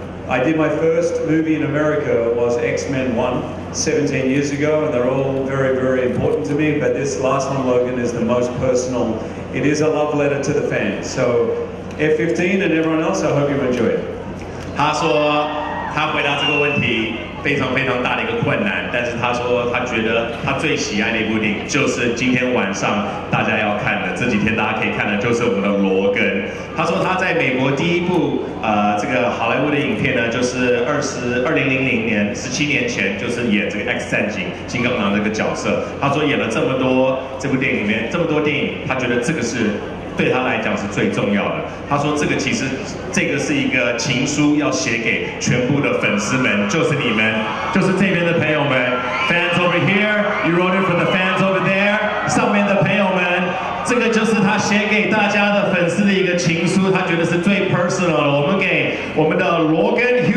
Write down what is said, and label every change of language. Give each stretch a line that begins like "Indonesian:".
English: I did my first movie in America was X-Men 1 17 years ago, and they're all very, very important to me, but this last one, Logan, is the most personal. It is a love letter to the fans. So F15 and everyone else, I hope you enjoy it.
Chinese: 他说他回答这个问题非常非常大的一个困难，但是他说他觉得他最喜爱的一部电影就是今天晚上大家要看的，这几天大家可以看的，就是我们的罗根。他说他在美国第一部这个好莱坞的影片呢，就是2000年17年前，就是演这个 X 战警金刚狼这个角色。他说演了这么多这部电影里面这么多电影，他觉得这个是对他来讲是最重要的。他说这个其实这个是一个情书，要写给全部的粉丝们，就是你们，就是这边的朋友们。
English: Fans over here, you wrote it for the fans over there.
Chinese: 上面的朋友们，这个就是他写给大家的粉丝的一个情书，他觉得是最 personal 的。我们给我们的罗根